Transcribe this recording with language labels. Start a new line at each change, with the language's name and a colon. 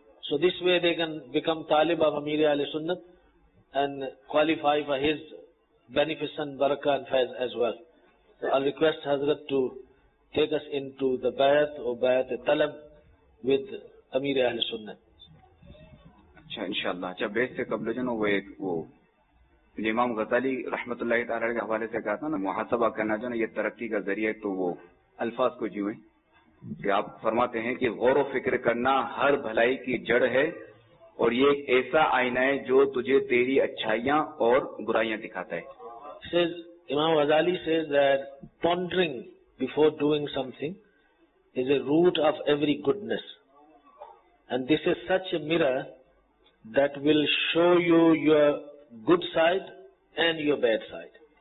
English: So this way they can become talib of Amir Ahle Sunnah and qualify for his beneficent barakah and faiz as well. So I'll request Hazrat to take us into the bayat or bayat talab with Amir Ahle Sunnah.
Urdu: انشاءاللہ اچھا بیس سے قبل جو نا وہ ایک وہ امام غزالی رحمۃ اللہ تعالی کے حوالے سے کہا تھا نا محاسبہ کرنا جو نا یہ ترقی کا ذریعہ تو وہ الفاظ کو جیوے کہ آپ فرماتے ہیں کہ غور و فکر کرنا ہر بھلائی کی جڑ ہے اور یہ ایک ایسا آئینہ ہے جو تجھے تیری اچھائیاں اور برائیاں دکھاتا ہے
English: says, Imam Ghazali says that pondering before doing something is a root of every goodness and this is such a mirror that will show you your good side and your bad side.